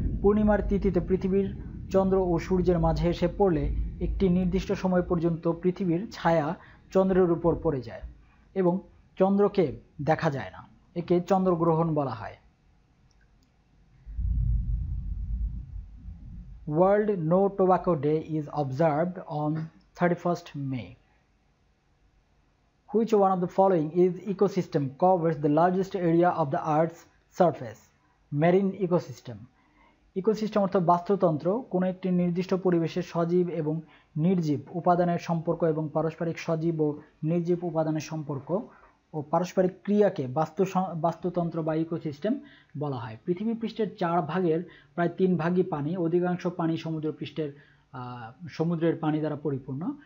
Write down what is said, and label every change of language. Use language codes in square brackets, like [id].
[bn] পূর্ণিমার তিথিতে পৃথিবীর চন্দ্র ও সূর্যের মাঝে এসে পড়লে একটি নির্দিষ্ট সময় পর্যন্ত পৃথিবীর ছায়া চন্দ্রের উপর পড়ে যায় এবং চন্দ্রকে দেখা যায় না, একে চন্দ্রগ্রহণ বলা হয়। [en] World No Tobacco Day is observed on 31st May. Which one of the following is ecosystem covers the largest area of the earth's surface? Marine ecosystem. [bn] Ecosystem অর্থ বাস্তুতন্ত্র, কোন একটি নির্দিষ্ট পরিবেশের সজীব এবং নির্জীব উপাদানের সম্পর্ক এবং পারস্পরিক সজীব ও নির্জীব উপাদানের সম্পর্ক ও পারস্পরিক ক্রিয়াকে বাস্তুতন্ত্র বা ইকোসিস্টেম বলা হয়। পৃথিবী পৃষ্ঠের চার ভাগের প্রায় তিন ভাগই পানি, অধিকাংশ পানি সমুদ্র পৃষ্ঠের সমুদ্রের পানি দ্বারা পরিপূর্ণ।